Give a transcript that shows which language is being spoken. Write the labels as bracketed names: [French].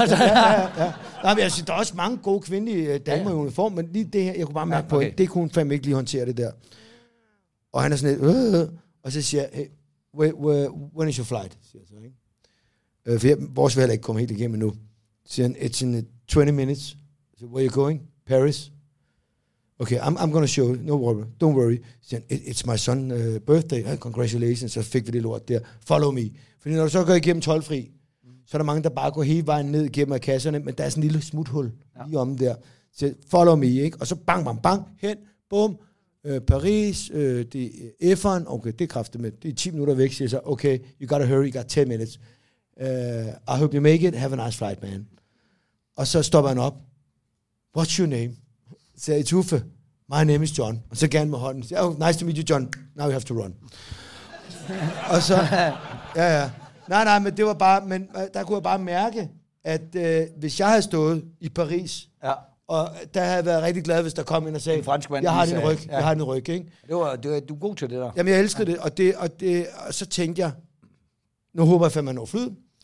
[Danish] Altså, der er også mange gode kvindelige damer i uniform, men lige det her, jeg kunne bare mærke på, det kunne hun fandme ikke lige håndtere det der. Og han er sådan lidt, og så siger jeg, [English] hey, when is your flight? [Danish] Siger jeg så, ikke? For vores vil heller ikke komme helt igennem nu. Siger han, [English] it's in 20 minutes. [Danish] Siger, [English] where are you going? [Danish] Paris? [English] Okay, I'm gonna show you. No worry. Don't worry. It's my son's birthday. Congratulations. [Danish] Så fik vi det lort der. [English] Follow me. [Danish] Fordi når du så går igennem toldfri, så er der mange, der bare går hele vejen ned igennem af kasserne, men der er sådan en lille smuthul lige om der. Så [English] follow me, [Danish] ikke? Og så bang, bang, bang, hen, bum, Paris, det er F'eren. Okay, det er kraftigt, men det er 10 minutter væk, siger så. [English] Okay, you gotta hurry, you got 10 minutes. I hope you make it. Have a nice flight, man. [Danish] Og så stopper han op. [English] What's your name? [Danish] Sagde Tuffe, [English] my name is John. [Danish] Og så gerne med hånden. Sagde, [English] oh, nice to meet you, John. Now we have to run. [Danish] Og så, ja. Nej, men det var bare, men der kunne jeg bare mærke, at hvis jeg havde stået i Paris, ja, og der havde jeg været rigtig glad, hvis der kom ind og sagde, fransk mand, jeg har din ryg, ja, jeg har din ryg, ikke? Det var, du er god til det der. Jamen, jeg elskede, ja, det, og så tænkte jeg, nu håber jeg fandme, at man når flyet.